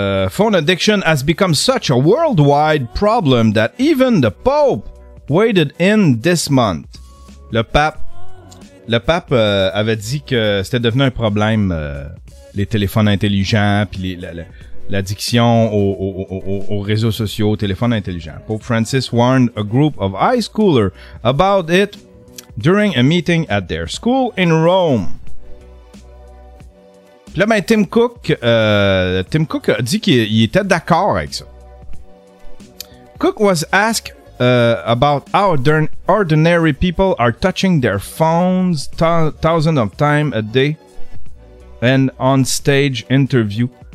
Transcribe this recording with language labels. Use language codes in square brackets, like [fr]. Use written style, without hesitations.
[en] Phone addiction has become such a worldwide problem that even the Pope waded in this month. [fr] Le pape avait dit que c'était devenu un problème, les téléphones intelligents, puis l'addiction aux réseaux sociaux, aux téléphones intelligents. [en] Pope Francis warned a group of high schoolers about it during a meeting at their school in Rome. [fr] Puis là, ben, Tim Cook a dit qu'il était d'accord avec ça. [en] Cook was asked about how ordinary people are touching their phones thousands of times a day and on stage interview.